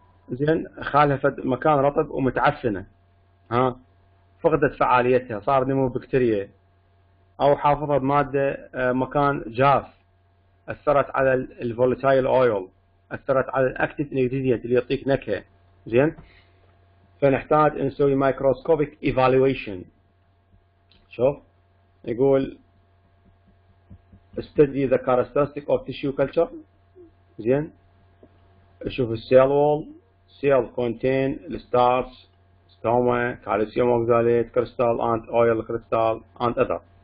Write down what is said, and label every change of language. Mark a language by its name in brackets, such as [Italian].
[Arabic] زين، خالها في مكان رطب ومتعفنه، ها، فقدت فعاليتها، صار نمو بكتيريا، او حافظها بماده مكان جاف، اثرت على الفولتايل اويل، اثرت على الاكتيف انجريدينت اللي يعطيك نكهه. زين، فنحتاج نسوي مايكروسكوبيك ايفالويشن. شوف يقول [English] study the characteristic of tissue culture. [Arabic] زين، شوف [English] السيل wall, cell contain الستارس، stoma, calcium oxalate crystal and oil crystal and other.